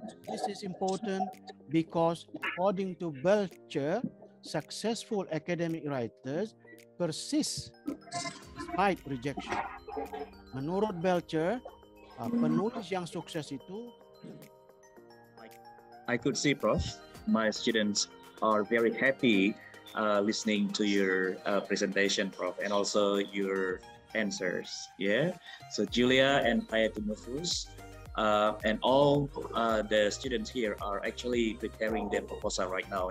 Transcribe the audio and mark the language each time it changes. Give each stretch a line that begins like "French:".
English: This is important because according to Belcher, successful academic writers persist despite rejection.
Indonesian: Menurut Belcher, penulis yang sukses itu.
English: I could see, Prof. My students are very happy listening to your presentation, Prof. And also your answers. Yeah. So Julia and Payatumufus. And all the students here are actually preparing their proposal right now.